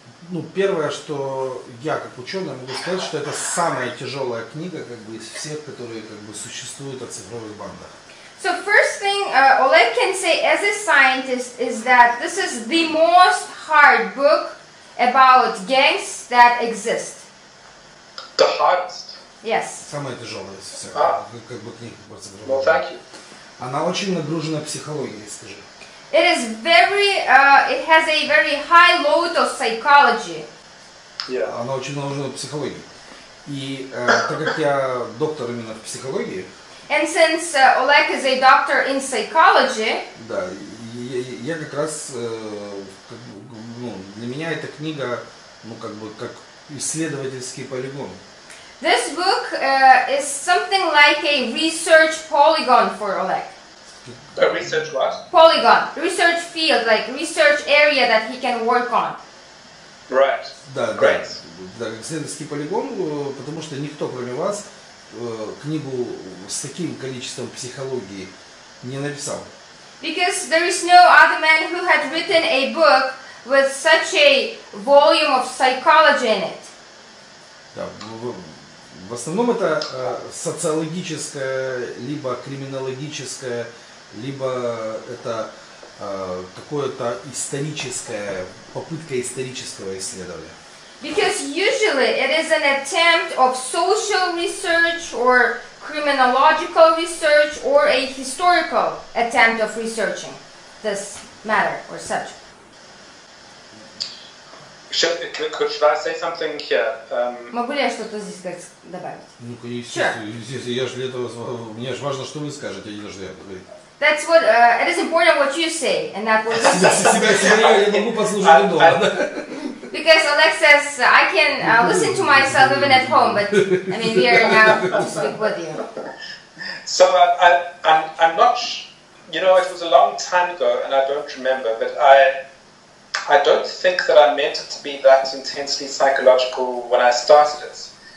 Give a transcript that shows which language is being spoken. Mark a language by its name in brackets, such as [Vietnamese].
[Russian] Ну, первое, что я как ученый могу сказать, что это самая тяжелая книга, как бы, из всех, которые, как бы, существуют о цифровых бандах. [English] So first thing Oleg can say as a scientist is that this is the most hard book about gangs that exist. The hardest? Yes. [Russian] Самая тяжелая из всех. Как бы книг. [English] Well, thank you. [Russian] Она очень нагружена психологией, скажи. [English] It is very, it has a very high load of psychology. Yeah. [Russian] Она очень нагружена психологией. И так как я доктор именно в психологии. [English] And since Oleg is a doctor in psychology. [Russian] Да, я как раз, как бы, ну, для меня эта книга, ну, как бы, как исследовательский полигон. [English] This book is something like a research polygon for Oleg. A research what? Polygon. Research field, like research area that he can work on. Right. [Russian] Да, [English] great. [Russian] Да, да, исследовательский полигон, потому что никто, кроме вас, книгу с таким количеством психологии не написал. [English] Because there is no other man who had written a book with such a volume of psychology in it. [Russian] Да, в основном это социологическое, либо криминологическое, либо это какое-то историческое, попытка исторического исследования. [English] Because usually it is an attempt of social research or criminological research or a historical attempt of researching this matter or subject. Should I say something here? [Russian] Могу ли я что-то здесь добавить? Ну, конечно, [English] sure. [Russian] Я же для этого, мне же важно, что вы скажете, а не должны я поговорить. [English] That's what, it is important what you say, and not what you say. [Russian] Себя я могу послушать дома. [English] Because Oleg says, I can listen to myself even at home, but, I mean, we are now to speak with you. So, I'm not, you know, it was a long time ago, and I don't remember, but I don't think that I meant it to be that intensely psychological when I started it.